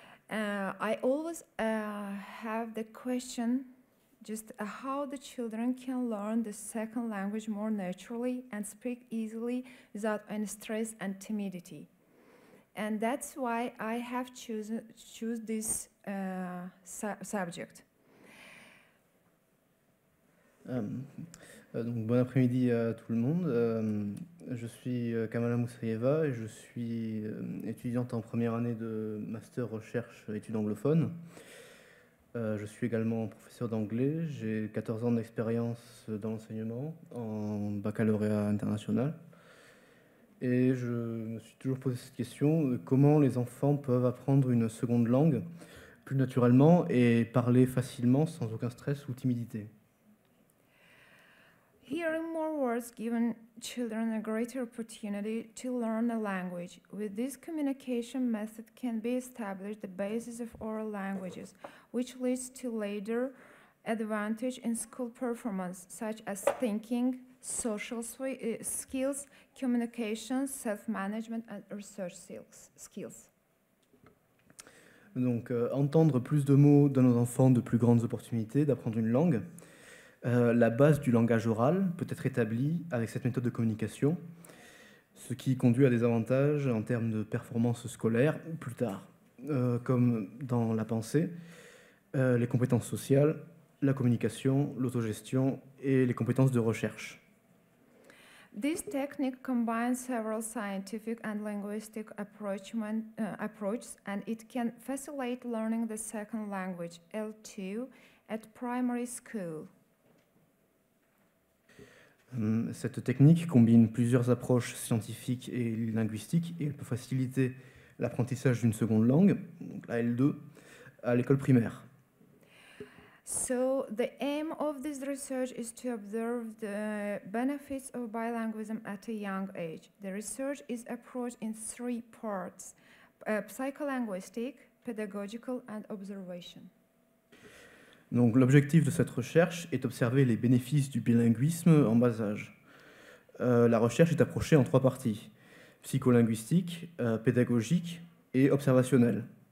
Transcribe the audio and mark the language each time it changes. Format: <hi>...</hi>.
<en>I always have the question, just how the children can learn the second language more naturally and speak easily without any stress and timidity. And that's why I have chosen this subject.</en> <fr>Donc, bon après-midi à tout le monde. Je suis Kamala Moussaïeva et je suis étudiante en première année de Master Recherche études anglophones. Je suis également professeur d'anglais, j'ai 14 ans d'expérience dans l'enseignement en baccalauréat international. Et je me suis toujours posé cette question, comment les enfants peuvent apprendre une seconde langue plus naturellement et parler facilement sans aucun stress ou timidité?</fr> <en>Hearing more words giving children a greater opportunity to learn a language. With this communication method can be established the basis of oral languages, which leads to later advantage in school performance, such as thinking, social skills, communication, self-management, and research skills.</en> <fr>Donc, entendre plus de mots donne aux enfants de plus grandes opportunités d'apprendre une langue. La base du langage oral peut être établie avec cette méthode de communication, ce qui conduit à des avantages en termes de performance scolaire plus tard, comme dans la pensée, les compétences sociales, la communication, l'autogestion et les compétences de recherche.</fr> <en>This technique combines several scientific and linguistic approaches, and it can facilitate learning the second language, L2, at primary school.</en> <fr>Cette technique combine plusieurs approches scientifiques et linguistiques et elle peut faciliter l'apprentissage d'une seconde langue, donc la L2, à l'école primaire.</fr> <en>So the aim of this research is to observe the benefits of bilingualism at a young age. The research is approached in three parts: psycholinguistic, pedagogical and observation.</en> <fr>Donc l'objectif de cette recherche est d'observer les bénéfices du bilinguisme en bas âge. La recherche est approchée en trois parties: psycholinguistique, pédagogique et observationnelle.</fr>